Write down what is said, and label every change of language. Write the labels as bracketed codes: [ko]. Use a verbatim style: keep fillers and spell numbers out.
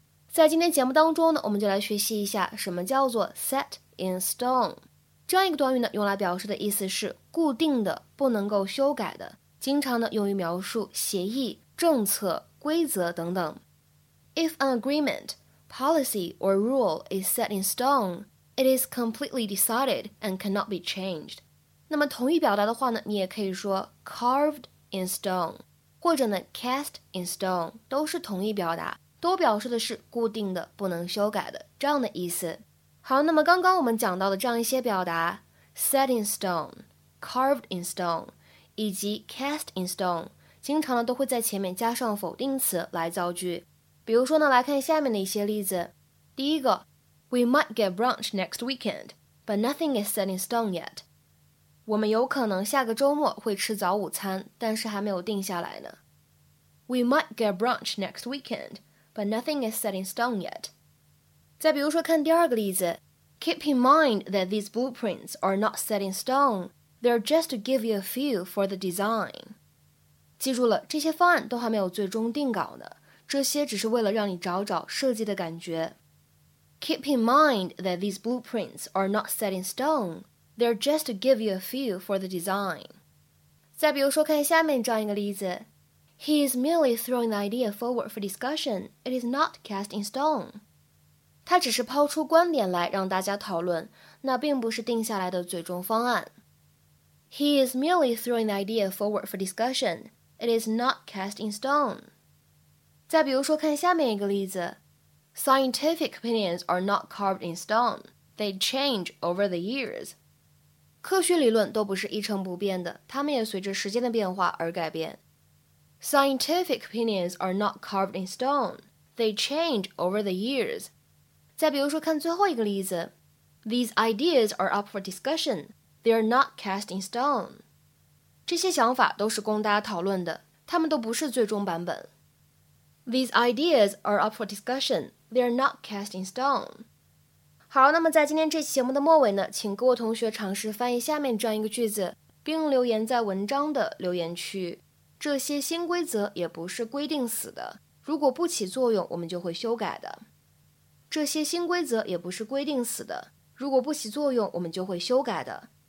[zh] 在今天节目当中呢，我们就来学习一下什么叫做 set in stone。这样一个短语呢，用来表示的意思是固定的，不能够修改的，经常呢用于描述协议、政策、规则等等。 [en] If an agreement, policy, or rule is set in stone, it is completely decided and cannot be changed. [zh] 那么同义表达的话呢，你也可以说 carved in stone 或者呢 cast in stone 都是同义表达，都表示的是固定的、不能修改的这样的意思。好，那么刚刚我们讲到的这样一些表达 set in stone, carved in stone 以及 cast in stone 经常呢都会在前面加上否定词来造句。比如说呢，来看下面的一些例子。第一个 [en] ，We might get brunch next weekend, but nothing is set in stone yet. [zh] 我们有可能下个周末会吃早午餐，但是还没有定下来呢。 [en] We might get brunch next weekend, but nothing is set in stone yet. [zh] 再比如说，看第二个例子 [en] ，Keep in mind that these blueprints are not set in stone; they're just to give you a feel for the design. [zh] 记住了，这些方案都还没有最终定稿呢。这些只是为了让你找找设计的感觉。 [en] Keep in mind that these blueprints are not set in stone. They're just to give you a feel for the design. [zh] 再比如说，看下面这样一个例子 [en] ：He is merely throwing the idea forward for discussion. It is not cast in stone. [zh] 他只是抛出观点来让大家讨论，那并不是定下来的最终方案。 [en] He is merely throwing the idea forward for discussion. It is not cast in stone. [zh] 再比如说，看下面一个例子 [en] ：Scientific opinions are not carved in stone; they change over the years. [zh] 科学理论都不是一成不变的，它们也随着时间的变化而改变。 [en] Scientific opinions are not carved in stone; they change over the years. [zh] 再比如说，看最后一个例子 [en] ：These ideas are up for discussion; they are not cast in stone. [zh] 这些想法都是供大家讨论的，它们都不是最终版本。 [en] These ideas are up for discussion; they are not cast in stone. [zh] 好，那么在今天这期节目的末尾呢，请各位同学尝试翻译下面这样一个句子，并留言在文章的留言区。这些新规则也不是规定死的，如果不起作用，我们就会修改的。这些新规则也不是规定死的，如果不起作用，我们就会修改的。